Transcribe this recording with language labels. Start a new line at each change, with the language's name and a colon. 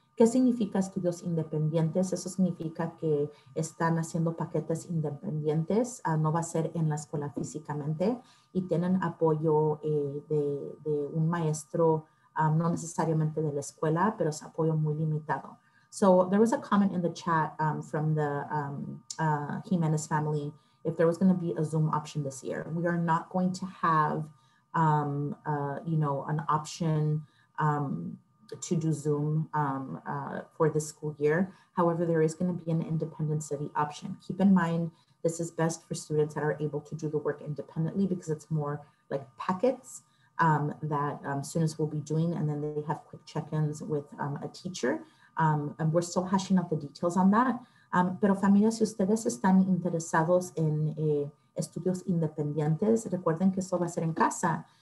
Spanish: ¿Qué significa estudios independientes? Eso significa que están haciendo paquetes independientes, no va a ser en la escuela físicamente y tienen apoyo de un maestro, no necesariamente de la escuela, pero es apoyo muy limitado.
English: So there was a comment in the chat from the Jimenez family, if there was gonna be a Zoom option this year. We are not going to have an option to do Zoom for this school year. However, there is gonna be an independent study option. Keep in mind, this is best for students that are able to do the work independently because it's more like packets that students will be doing, and then they have quick check-ins with a teacher. And we're still hashing out the details on that.
Spanish: Pero familia, si ustedes están interesados en estudios independientes, recuerden que eso va a ser en casa.